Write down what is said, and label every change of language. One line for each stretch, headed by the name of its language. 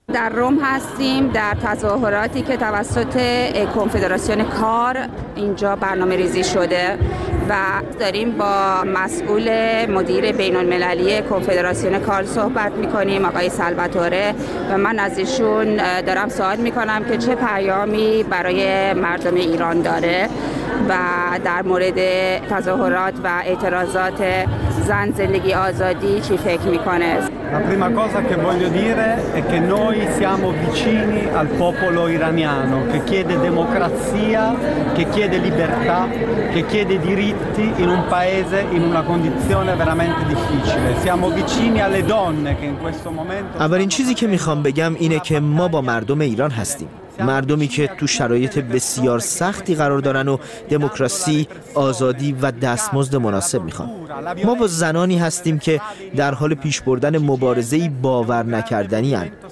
Persian: در روم هستیم در تظاهراتی که توسط کنفدراسیون کار اینجا برنامه ریزی شده و داریم با مسئول مدیر بین‌المللی کنفدراسیون کار صحبت می‌کنیم، آقای سالواتوره، و من از ایشون دارم سوال می‌کنم که چه پیامی برای مردم ایران داره و در مورد تظاهرات و اعتراضات زن زندگی آزادی چی فکر می‌کنه.
Italian: La prima cosa che voglio dire è che noi siamo vicini al popolo iraniano che chiede democrazia, che chiede libertà, che chiede diritti in un paese in una condizione veramente difficile. Siamo vicini alle donne che in questo momento.
Persian: اولین چیزی که میخوام بگم اینه که ما با مردم ایران هستیم. مردمی که تو شرایط بسیار سختی قرار دارن و دموکراسی، آزادی و دستمزد مناسب میخوان. ما با زنانی هستیم که در حال پیش بردن مبارزه باور نکردنی هن.